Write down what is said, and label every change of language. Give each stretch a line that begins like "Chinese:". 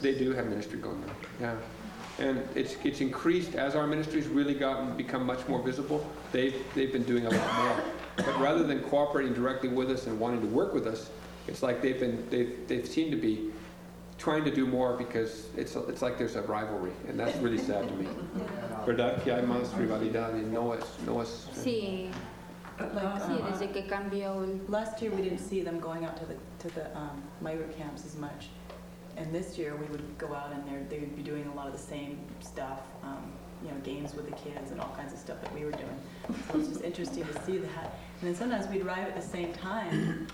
English: They do have ministry going on, yeah. And it's increased as our ministry's really become much more visible. They've been doing a lot more. But rather than cooperating directly with us and wanting to work with us, it's like they've seemed to be trying to do more because it's like there's a rivalry, and that's really sad to me.
Spanish: ¿Verdad que hay más rivalidad y no es? Sí. Desde que cambió.
English: Last year we didn't see them going out to the migrant camps as much, and this year we would go out and they'd be doing a lot of the same stuff, you know, games with the kids and all kinds of stuff that we were doing. So it's just interesting to see that. And then sometimes we'd arrive at the same time.